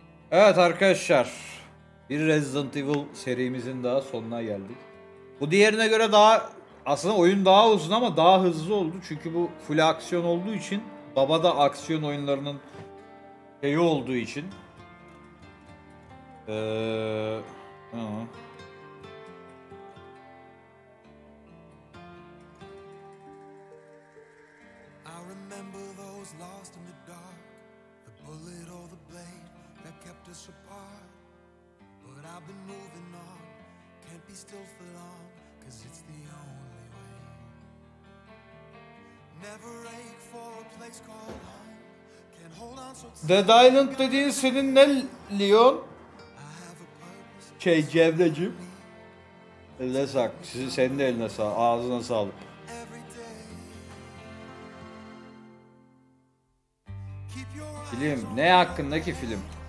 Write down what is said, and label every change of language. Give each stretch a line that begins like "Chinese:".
Turkish: Evet arkadaşlar. Bir Resident Evil serimizin daha sonuna geldik. Bu diğerine göre daha... Aslında oyun daha uzun ama daha hızlı oldu. Çünkü bu full aksiyon olduğu için... Baba da aksiyon oyunlarının şeyi olduğu için.
English: I remember those lost in the dark, the bullet or the blade that kept us apart. But I've been moving on, can't be still for long, cause it's the only way. Never ache for a place called home. Can't hold on so tight.
Turkish: Dead Island dediğin senin ne Leon? Şey Cevdeciğim. Eline sağlık. Sizi senin de eline sağlık. Ağzına sağlık. Film. Ne hakkındaki film?